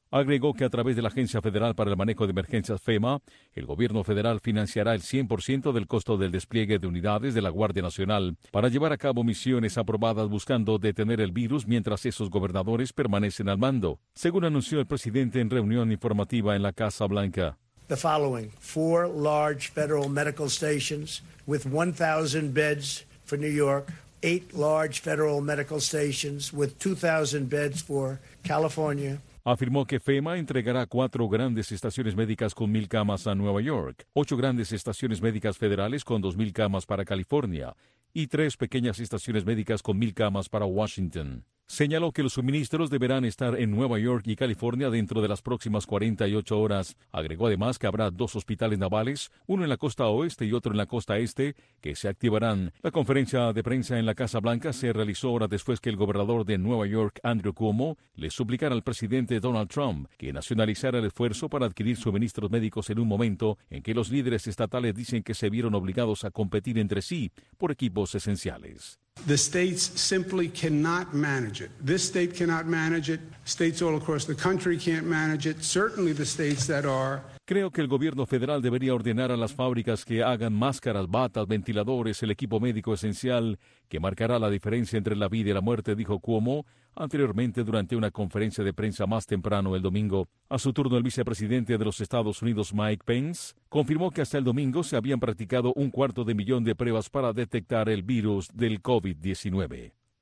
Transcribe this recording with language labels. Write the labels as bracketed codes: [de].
[es] Agregó que a través de la Agencia Federal para el Manejo de Emergencias, FEMA, el gobierno federal financiará el 100% del costo del despliegue de unidades de la Guardia Nacional para llevar a cabo misiones aprobadas buscando detener el virus mientras esos gobernadores permanecen al mando, según anunció el presidente en reunión informativa en la Casa Blanca. [en] The following: four large federal medical stations with 1,000 beds for New York, eight large federal medical stations with 2,000 beds for California. [es] Afirmó que FEMA entregará cuatro grandes estaciones médicas con 1,000 camas a Nueva York, ocho grandes estaciones médicas federales con 2,000 camas para California y tres pequeñas estaciones médicas con 1,000 camas para Washington. Señaló que los suministros deberán estar en Nueva York y California dentro de las próximas 48 horas. Agregó además que habrá dos hospitales navales, uno en la costa oeste y otro en la costa este, que se activarán. La conferencia de prensa en la Casa Blanca se realizó horas después que el gobernador de Nueva York, Andrew Cuomo, le suplicara al presidente Donald Trump que nacionalizara el esfuerzo para adquirir suministros médicos en un momento en que los líderes estatales dicen que se vieron obligados a competir entre sí por equipos esenciales. [en] The states simply cannot manage it. This state cannot manage it. States all across the country can't manage it. Certainly the states that are. [es] Creo que el gobierno federal debería ordenar a las fábricas que hagan máscaras, batas, ventiladores, el equipo médico esencial que marcará la diferencia entre la vida y la muerte, dijo Cuomo anteriormente durante una conferencia de prensa más temprano el domingo. A su turno, el vicepresidente de los Estados Unidos, Mike Pence, confirmó que hasta el domingo se habían practicado 250,000 de pruebas para detectar el virus del COVID-19.